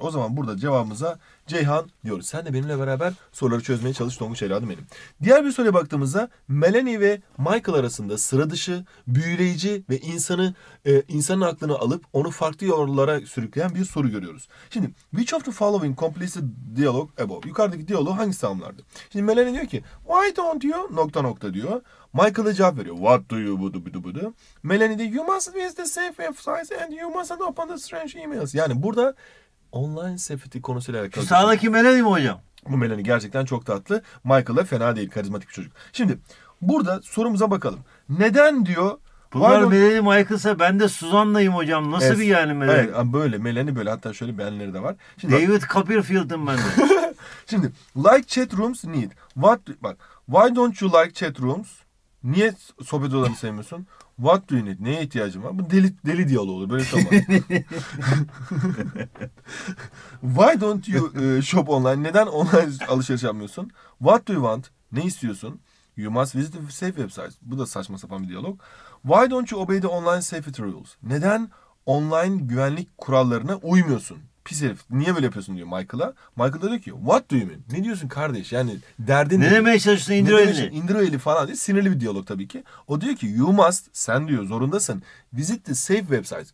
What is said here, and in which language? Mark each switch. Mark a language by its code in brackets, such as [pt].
[tr] O zaman burada cevabımıza Ceyhan diyoruz. Sen de benimle beraber soruları çözmeye çalış Tonguç evladım benim. Diğer bir soruya baktığımızda Melanie ve Michael arasında sıra dışı, büyüleyici ve insanın aklını alıp onu farklı yollara sürükleyen bir soru görüyoruz. [en] Şimdi which of the following completes the dialogue above? [tr] Yukarıdaki diyaloğu hangisi tamamlardı? Şimdi Melanie diyor ki [en] why don't you [tr] nokta nokta diyor. Michael da cevap veriyor. [en] What do you budu budu budu. Melanie de you must visit the safe website and you must open the strange emails. [tr] Yani burada online safety konusuyla alakalı. Sağdaki Melanie mi hocam? Bu Melanie gerçekten çok tatlı. Michael da fena değil. Karizmatik bir çocuk. Şimdi burada sorumuza bakalım. Neden diyor? Bunlar Melanie Michael'sa ben de Suzan'layım hocam. Nasıl bir yani Melanie? Evet, böyle Melanie böyle. Hatta şöyle benleri de var. Şimdi David Copperfield'ım ben de. [en] Şimdi like chat rooms need. What? Bak. Why don't you like chat rooms? [tr] Niye sohbet odalarını sevmiyorsun? [en] What do you need? [tr] Neye ihtiyacın var? Bu deli deli diyaloğu olur. Böyle tamam. [en] Why don't you shop online? [tr] Neden online alışveriş yapmıyorsun? [en] What do you want? [tr] Ne istiyorsun? [en] You must visit the safe website. [tr] Bu da saçma sapan bir diyalog. [en] Why don't you obey the online safety rules? [tr] Neden online güvenlik kurallarına uymuyorsun? Pis herif. Niye böyle yapıyorsun diyor Michael'a. Michael da diyor ki [en] what do you mean? [tr] Ne diyorsun kardeş? Yani derdin ne? Ne demeye çalışıyorsun? İndir o eli. İndir o eli falan diye. Sinirli bir diyalog tabii ki. O diyor ki [en] you must, [tr] sen diyor zorundasın, [en] visit the safe website.